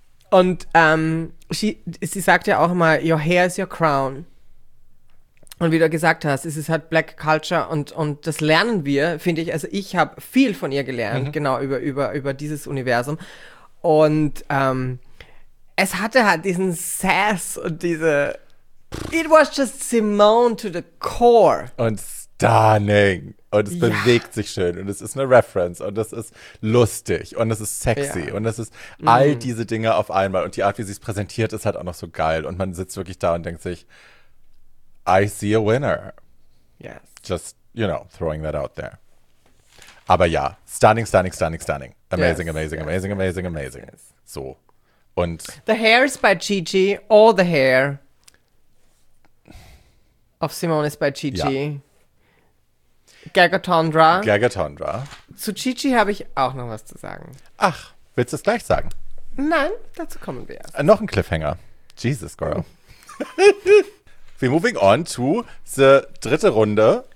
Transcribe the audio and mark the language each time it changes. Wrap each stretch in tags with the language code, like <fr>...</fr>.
<de>Und sie sagt ja auch immer:</de> <en>Your hair is your crown.</en> <de>Und wie du gesagt hast, es ist halt Black Culture und das lernen wir, finde ich. Also ich habe viel von ihr gelernt, genau, über dieses Universum. Und es hatte halt diesen Sass und diese...</de> <en>It was just Simone to the core.</en> <de>Und stunning. Und es bewegt sich schön. Und es ist eine Reference. Und es ist lustig. Und es ist sexy. Ja. Und es ist all diese Dinge auf einmal. Und die Art, wie sie es präsentiert, ist halt auch noch so geil. Und man sitzt wirklich da und denkt sich...</de> <en>I see a winner. Yes. Just, you know, throwing that out there.</en> <de>Aber ja,</de> <en>stunning, stunning, stunning, stunning. Amazing, yes, amazing, yes, amazing, yes, amazing, amazing, yes, amazing. Yes. So. Und. The hair is by Gigi. All the hair of Simone is by Gigi.</en> <de>Ja. Gagatondra. Gagatondra. Zu Gigi habe ich auch noch was zu sagen. Ach, willst du es gleich sagen? Nein, dazu kommen wir. Noch ein Cliffhanger.</de> <en>Jesus, girl. We're moving on to the</en> <de>dritte Runde.</de>